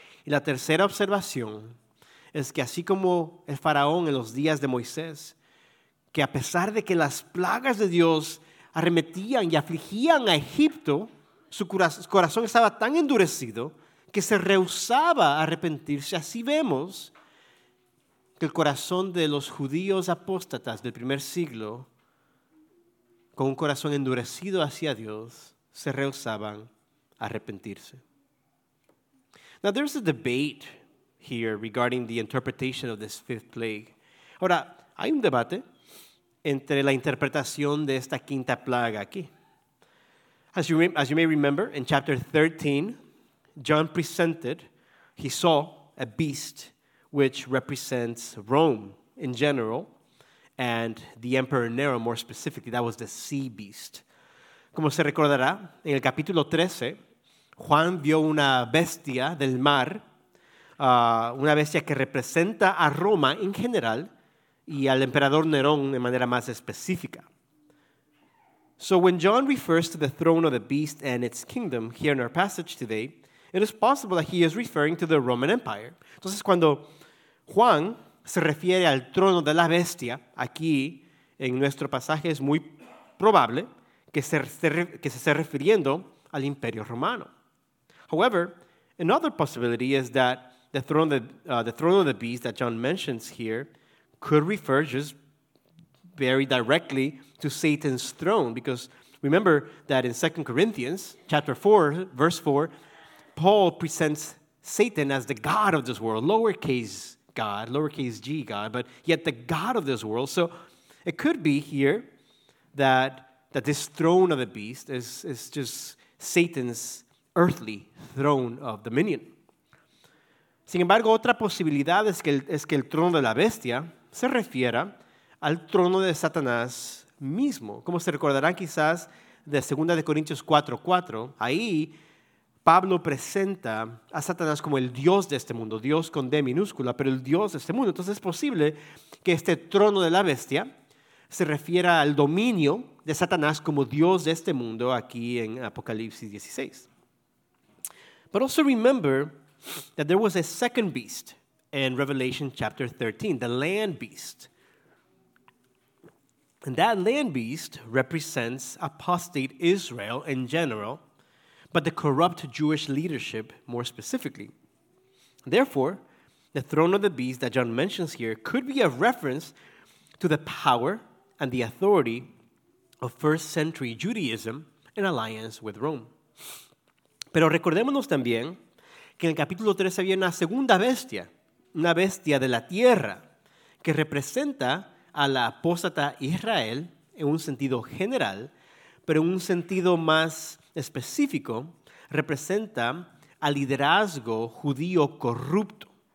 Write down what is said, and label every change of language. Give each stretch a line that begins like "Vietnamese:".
Spanish: Y la tercera observación es que así como el faraón en los días de Moisés, que a pesar de que las plagas de Dios arremetían y afligían a Egipto, su corazón estaba tan endurecido que se rehusaba a arrepentirse. Así vemos que el corazón de los judíos apóstatas del primer siglo, con un corazón endurecido hacia Dios, se rehusaban a arrepentirse.
English: Now there's a debate here regarding the interpretation of this fifth plague.
Spanish: Ahora, hay un debate entre la interpretación de esta quinta plaga aquí.
English: As you may remember, in chapter 13, John presented, he saw a beast which represents Rome in general and the Emperor Nero more specifically. That was the sea beast.
Spanish: Como se recordará, en el capítulo 13, Juan vio una bestia del mar, una bestia que representa a Roma en general y al emperador Nerón de manera más específica.
English: So when John refers to the throne of the beast and its kingdom here in our passage today, it is possible that he is referring to the Roman Empire.
Spanish: Entonces, cuando Juan se refiere al trono de la bestia aquí en nuestro pasaje, es muy probable que se esté refiriendo al Imperio Romano.
English: However, another possibility is that the throne of the beast that John mentions here could refer just very directly to Satan's throne, because remember that in 2 Corinthians chapter 4, verse 4, Paul presents Satan as the god of this world, lowercase god, lowercase g god, but yet the god of this world. So it could be here that this throne of the beast is just Satan's earthly throne of dominion.
Spanish: Sin embargo, otra posibilidad es que el trono de la bestia se refiera al trono de Satanás mismo. Como se recordarán quizás de 2 Corintios 4:4, ahí Pablo presenta a Satanás como el Dios de este mundo, Dios con D minúscula, pero el Dios de este mundo. Entonces es posible que este trono de la bestia se refiera al dominio de Satanás como Dios de este mundo aquí en Apocalipsis 16.
English: But also remember that there was a second beast in Revelation chapter 13, the land beast. And that land beast represents apostate Israel in general, but the corrupt Jewish leadership more specifically. Therefore, the throne of the beast that John mentions here could be a reference to the power and the authority of first century Judaism in alliance with Rome.
Spanish: Pero recordémonos también que en el capítulo 13 había una segunda bestia, una bestia de la tierra, que representa a la apóstata Israel en un sentido general, pero en un sentido más específico, representa al liderazgo judío corrupto.